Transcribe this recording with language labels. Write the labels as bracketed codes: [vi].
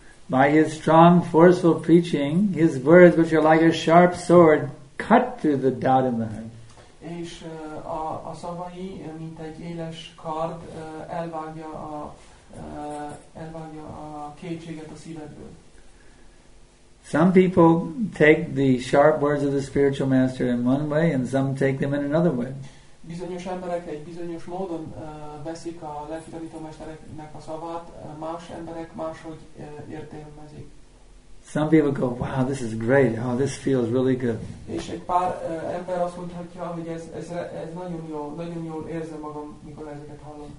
[en] By his strong, forceful preaching, his words, which are like a sharp sword, cut through the doubt in the heart. [hu] És a szavai, mint egy éles kard, elvágja a kétséget a szívedből. [en] Some people take the sharp words of the spiritual master in one way, and some take them in another way. [hu] Bizonyos emberek egy bizonyos módon veszik a lelki tanító mestereknek a szavát, más emberek máshogy értelmezik. [en] Some people go, wow, this is great. Oh, this feels really good. [hu] És egy pár ember azt mondhatja, hogy ez nagyon jól érzem magam, mikor ezeket hallom.